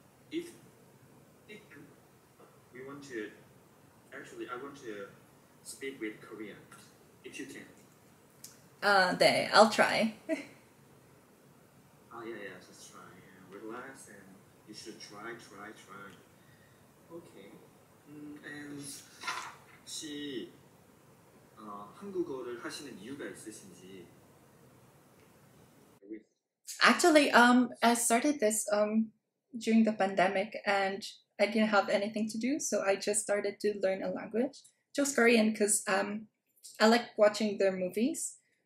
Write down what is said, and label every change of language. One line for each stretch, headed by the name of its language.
English: If we want to, actually, I want to speak with Korean, if you can. I'll try. yeah, just try and relax, and you should try. Okay.
Korean: And 혹시 한국어를 하시는 이유가 있으신지?
English: Actually, I started this during the pandemic, and I didn't have anything to do, so I just started to learn a language, just Korean, because I like watching their movies.